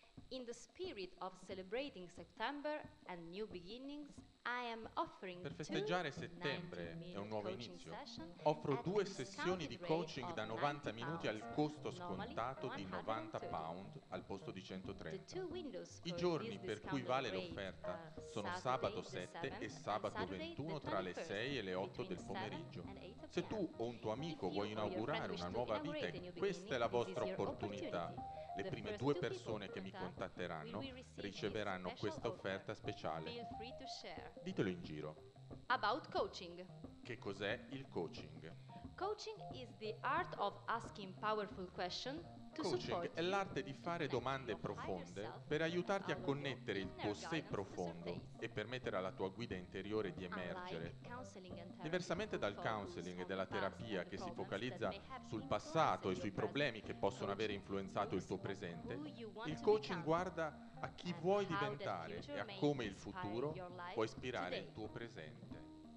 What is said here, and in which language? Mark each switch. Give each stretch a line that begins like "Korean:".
English: In the spirit of celebrating September and new beginnings, I am offering
Italian: per festeggiare settembre e un nuovo inizio, offro due sessioni di coaching da 90 minuti al costo scontato di £90 al posto di 130. I giorni per cui vale l'offerta sono sabato 7 e sabato 21 tra le 6 e le 8 del pomeriggio. Se tu o un tuo amico vuoi inaugurare una nuova vita, questa è la vostra opportunità. Le prime due persone che mi contatteranno riceveranno questa offerta speciale. Ditelo in giro.
English: About coaching.
Italian: Che cos'è il coaching?
English: Coaching is the art of asking powerful questions to support.
Italian: Coaching è l'arte di fare domande profonde per aiutarti a connettere il tuo sé profondo e permettere alla tua guida interiore di emergere. Diversamente dal counseling e della terapia che si focalizza sul passato e sui problemi che possono avere influenzato il tuo presente, il coaching guarda a chi vuoi diventare e a come il futuro può ispirare il tuo presente.